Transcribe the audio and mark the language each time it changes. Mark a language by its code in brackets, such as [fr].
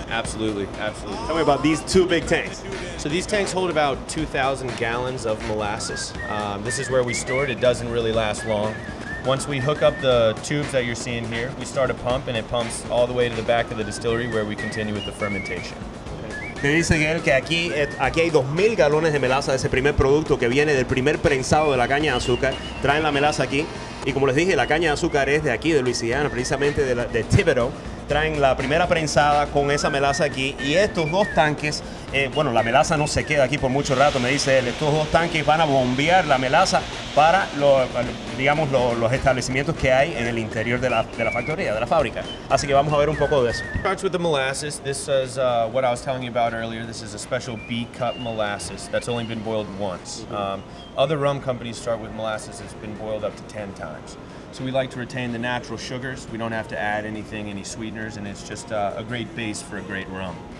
[en] Absolutely, absolutely. Tell me about these two big tanks. So these tanks hold about 2,000 gallons of molasses. This is where we store it. It doesn't really last long. Once we hook up the tubes that you're seeing here, we start a pump and it pumps all the way to the back of the distillery where we continue with the fermentation. [es] Me dicen él que aquí hay 2,000 galones de melaza, de ese primer producto que viene del primer prensado de la caña de azúcar. Traen la melaza aquí. Y como les dije, la caña de azúcar es de aquí, de Luisiana, precisamente de Thibodeau. Traen la primera prensada con esa melaza aquí. Y estos dos tanques, bueno, la melaza no se queda aquí por mucho rato, me dice él. Estos dos tanques van a bombear la melaza para los establecimientos que hay en el interior de la factoría, de la fábrica. Así que vamos a ver un poco de eso. [en] Starts with the molasses. This is what I was telling you about earlier. This is a special B-cup molasses that's only been boiled once. Other rum companies start with molasses that's been boiled up to 10 times. So we like to retain the natural sugars. We don't have to add anything, any sweeteners, and it's just a great base for a great rum.